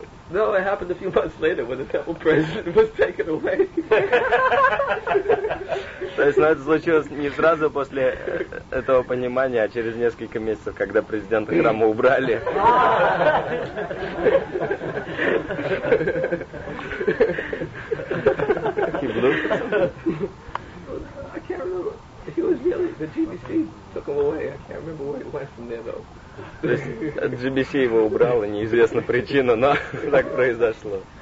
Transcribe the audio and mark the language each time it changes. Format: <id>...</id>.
<en>No, it happened a few months later when the temple president was taken away.</en> <ru>То есть, ну, это случилось не сразу после этого понимания, а через несколько месяцев, когда президента храма убрали.</ru> <en>I can't remember. He was really the GBC took him away. I can't remember where he went from there though.</en> <ru>То есть GBC его убрал, и неизвестна причина, но так произошло.</ru>